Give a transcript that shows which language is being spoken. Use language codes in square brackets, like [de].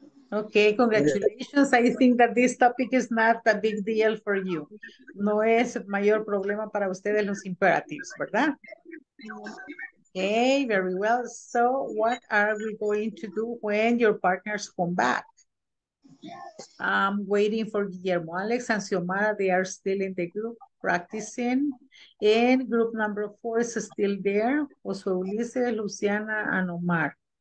[en] Okay, congratulations. Yeah. I think that this topic is not a big deal for you. [es] No es mayor problema para ustedes los imperatives, ¿verdad? [en] Okay, very well. So what are we going to do when your partners come back? I'm waiting for Guillermo, Alex, and Xiomara. They are still in the group practicing. And group number four is still there. Josué Ulises, Luciana, and Omar.